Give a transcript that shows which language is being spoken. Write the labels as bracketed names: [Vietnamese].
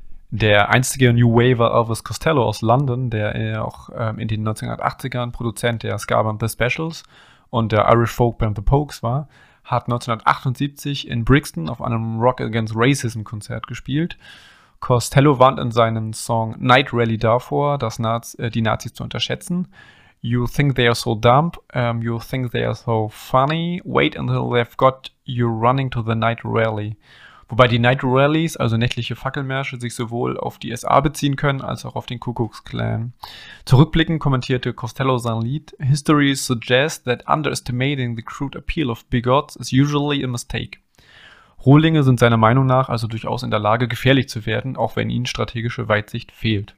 [German] Der einstige New Waver Elvis Costello aus London, der auch in den 1980ern Produzent der Ska-Band The Specials und der Irish Folkband The Pogues war, hat 1978 in Brixton auf einem Rock Against Racism Konzert gespielt. Costello warnt in seinem Song Night Rally davor, die Nazis zu unterschätzen. [English] You think they are so dumb, you think they are so funny, wait until they've got you running to the night rally. [German] Wobei die Night Rallies, also nächtliche Fackelmärsche, sich sowohl auf die SA beziehen können, als auch auf den Ku Klux Klan. Zurückblickend kommentierte Costello sein Lied: [English] History suggests that underestimating the crude appeal of bigots is usually a mistake. [German] Rohlinge sind seiner Meinung nach also durchaus in der Lage, gefährlich zu werden, auch wenn ihnen strategische Weitsicht fehlt.